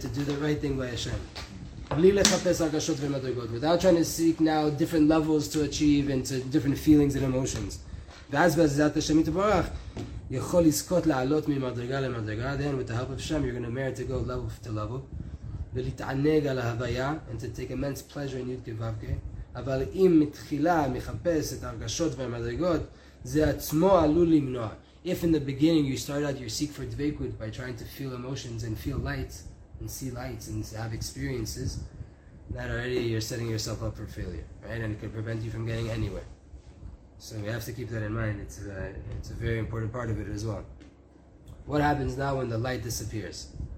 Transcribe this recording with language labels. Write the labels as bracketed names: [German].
[English] To do the right thing by Hashem. Without trying to seek now different levels to achieve and to different feelings and emotions. Then with the help of Hashem, you're going to merit to go level to level. And to take immense pleasure in Yud Kevavke. [Hebrew] אבל אם מתחילה מחפש את הרגשות והמדרגות, זה עצמו עלול למנוע. [English] If in the beginning you start out your seek for dvekut by trying to feel emotions and feel lights and see lights and have experiences, that already you're setting yourself up for failure, right? And it could prevent you from getting anywhere. So we have to keep that in mind. It's a very important part of it as well. What happens now when the light disappears?